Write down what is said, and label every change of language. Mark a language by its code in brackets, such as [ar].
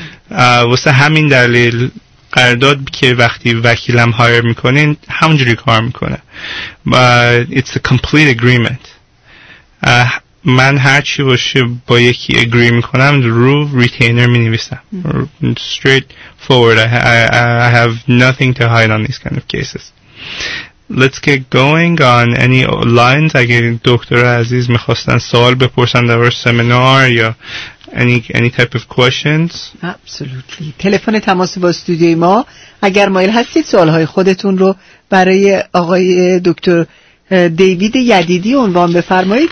[fa] واسه همین دلیل قرارداد که وقتی وکیلم هایر میکنین همونجوری کار میکنه. [en] It's a complete agreement. [fa] من هرچی باشه با یکی اگری میکنم رو ریتینر مینویسم. [en] Straight forward. I have nothing to hide on these kind of cases. Let's get going on any lines. [fa] اگه دکتر عزیز میخواستن سوال بپرسن در سمینار یا [en] any type of questions. Absolutely. [fa] تلفن تماس با استودیوی ما اگر مایل هستید سوالهای خودتون رو برای آقای دکتر دیوید یدیدی عنوان بفرمایید.